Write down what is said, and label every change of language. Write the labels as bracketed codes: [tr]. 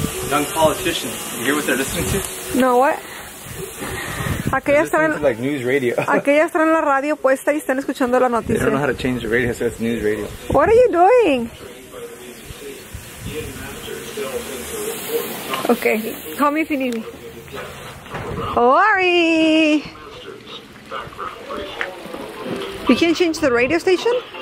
[en] Young politician, you hear what they're listening to? No, what? [es] Aquellas están en, [en] like news radio. [es] Aquellas están en la radio puesta y están escuchando la noticia. [en] They don't know how to change the radio, so it's news radio. What are you doing? Okay, call me if you need me. Ori! You can't change the radio station?